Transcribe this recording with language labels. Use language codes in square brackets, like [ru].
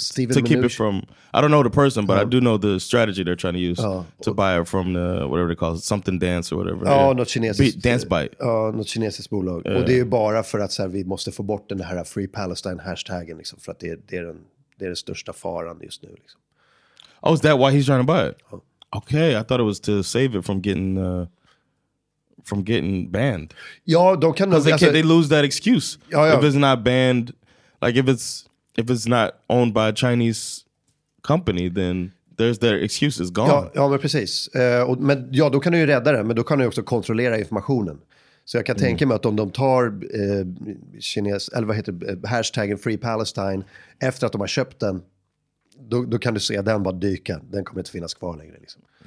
[en] Steven to keep Mnuchin. It from, I don't know the person, but I do know the strategy they're trying to use to buy it from the, whatever they call it, something dance or whatever. [sv] Ja, något kinesiskt. [en] Dance Bite. [sv] Ja, något kinesiskt bolag. Och det är ju bara för att så här, vi måste få bort den här Free Palestine-hashtaggen, liksom, för att det är den största faran just nu. Liksom. [en] Oh, is that why he's trying to buy it? Okay, I thought it was to save it from getting... from getting banned. [sv] Ja, de kan nog alltså, [en] they lose that excuse. [sv] Ja. [en] If it's not banned, like if it's not owned by a Chinese company, then there's their excuse is gone. [sv] Ja, men precis. Men då kan du ju rädda det, men då kan du också kontrollera informationen. Så jag kan tänka mig att om de tar kines eller vad heter hashtaggen Free Palestine efter att de har köpt den, då kan du se den bara dyka. Den kommer inte finnas kvar längre liksom.